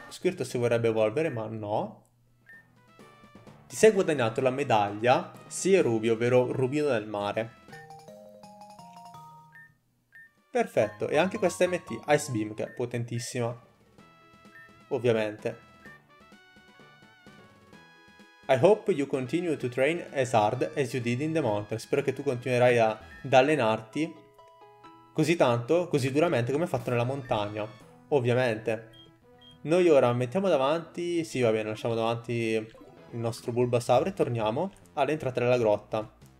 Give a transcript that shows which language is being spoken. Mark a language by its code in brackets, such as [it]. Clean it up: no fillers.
[it] Squirtle si vorrebbe evolvere, ma no. Ti sei guadagnato la medaglia Sea Ruby, ovvero rubino del mare. Perfetto, e anche questa MT Ice Beam, che è potentissima. Ovviamente. [en] I hope you continue to train as hard as you did in the mountain. [it] Spero che tu continuerai ad allenarti così tanto, così duramente come hai fatto nella montagna. Ovviamente. Noi ora mettiamo davanti. Sì, va bene, lasciamo davanti il nostro Bulbasaur e torniamo all'entrata della grotta.